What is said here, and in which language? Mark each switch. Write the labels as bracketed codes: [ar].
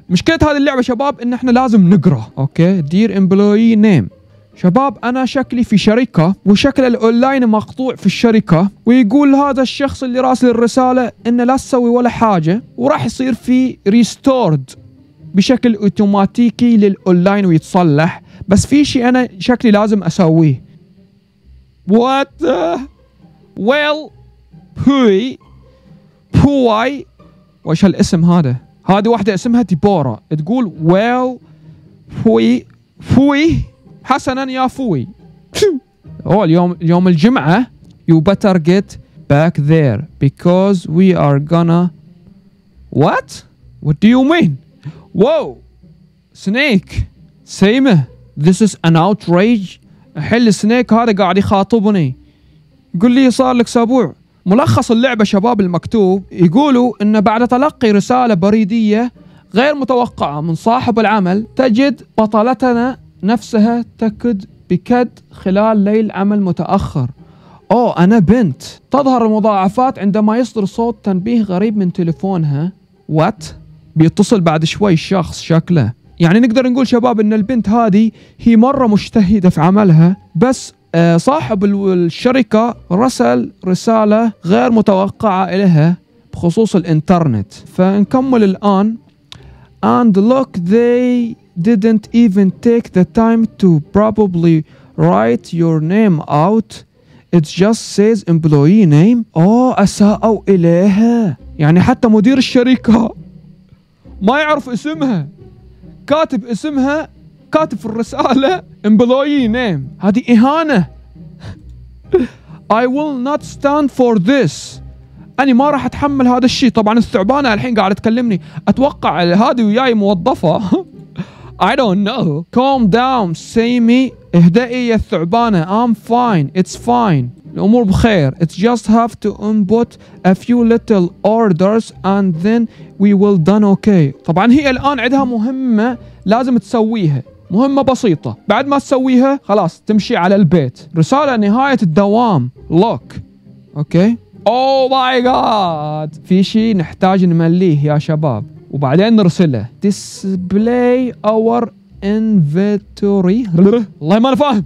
[ar] مشكلة هذه اللعبة شباب ان احنا لازم نقرأ، اوكي؟ [en] Dear Employee Name، [ar] شباب أنا شكلي في شركة وشكل الأونلاين مقطوع في الشركة، ويقول هذا الشخص اللي راسل الرسالة إنه لا تسوي ولا حاجة وراح يصير في ريستورد بشكل أوتوماتيكي للأونلاين ويتصلح، بس في شيء أنا شكلي لازم أسويه. [en] What the... Well who I... [ar] وش هالاسم هذا؟ هذه واحدة اسمها ديبورا تقول [en] Well who I... [ar] حسناً يا فوي. أوه اليوم الجمعة. [en] You better get back there because we are gonna... What? What do you mean? Whoa! Snake! Same! This is an outrage! [ar] حل سنيك هذا قاعد يخاطبني. قل لي صار لك سبوع. ملخص اللعبة شباب المكتوب يقولوا إن بعد تلقي رسالة بريدية غير متوقعة من صاحب العمل، تجد بطلتنا نفسها تكد بكد خلال ليل عمل متأخر. أوه أنا بنت. تظهر المضاعفات عندما يصدر صوت تنبيه غريب من تليفونها. What؟ بيتصل بعد شوي شخص شكله. يعني نقدر نقول شباب إن البنت هذه هي مرة مجتهدة في عملها، بس صاحب الشركة رسل رسالة غير متوقعة إليها بخصوص الإنترنت. فنكمل الآن. [en] And look they didn't even take the time to probably write your name out. It just says employee name. Oh, [ar] أساءوا إليها. يعني حتى مدير الشركة ما يعرف اسمها. كاتب اسمها، كاتب الرسالة [en] employee name. [ar] هذه إهانة. [en] I will not stand for this. [ar] أنا ما راح أتحمل هذا الشيء. طبعا الثعبانة الحين قاعدة تكلمني. أتوقع هذه وياي موظفة. [en] I don't know. Calm down, Sammy. [ar] اهدئي يا الثعبانة. [en] I'm fine. It's fine. [ar] الأمور بخير. [en] It's just have to input a few little orders and then we will done okay. [ar] طبعا هي الآن عندها مهمة لازم تسويها. مهمة بسيطة. بعد ما تسويها خلاص تمشي على البيت. رسالة نهاية الدوام. [en] Look. Okay. Oh my god. [ar] في شيء نحتاج نمليه يا شباب. وبعدين نرسله. [en] Display our inventory. [ar] الله ما نفهم.